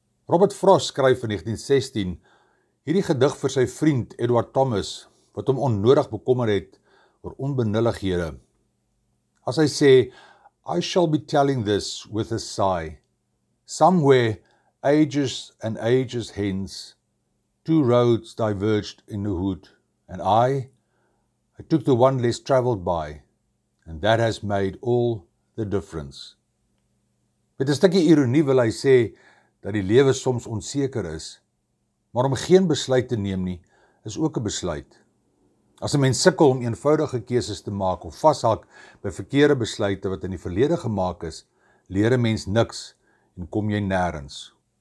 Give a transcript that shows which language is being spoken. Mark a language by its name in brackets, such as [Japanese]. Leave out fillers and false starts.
[Afrikaans] Robert Frost skryf in 1916 hierdie gedig vir sy vriend Edward Thomas, wat hom onnodig bekommer het oor onbenullighede. As hy sê, [English] "I shall be telling this with a sigh. Somewhere, ages and ages hence, two roads diverged in the hood, and I took the one less travelled by, and that has made all the difference." [Afrikaans] Met 'n stukkie ironie wil hy sê, dat die lewe soms onseker is, maar om geen besluit te neem nie, is ook 'n besluit. As 'n mens sukkel om eenvoudige keuses te maak, of vashak by verkeerde besluite wat in die verlede gemaak is, leer 'n mens niks, en kom jy nêrens.